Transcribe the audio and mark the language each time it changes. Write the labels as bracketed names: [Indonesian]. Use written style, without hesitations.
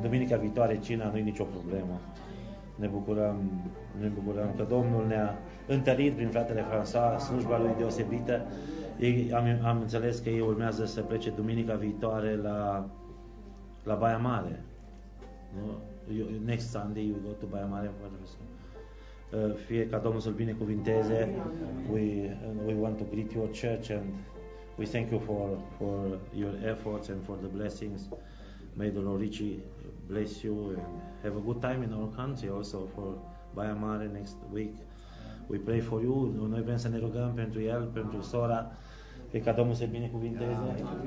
[Romanian] Duminica viitoare cina nu e nicio problemă. Ne bucurăm că Domnul ne-a întărit prin fratele François, slujba lui deosebită. Am înțeles că ei urmează să plece duminica viitoare la Baia Mare. [English] Next Sunday you go to Baia Mare. [Romanian] Fie ca Domnul să-l binecuvinteze. [English] We want to greet your church and we thank you for your efforts and for the blessings. May the Lord Richie bless you and have a good time in our country also for Baia Mare next week. We pray for you. [Romanian] Noi vrem să ne rugăm pentru el, pentru sora, pe ca Domnul să-i binecuvinteze.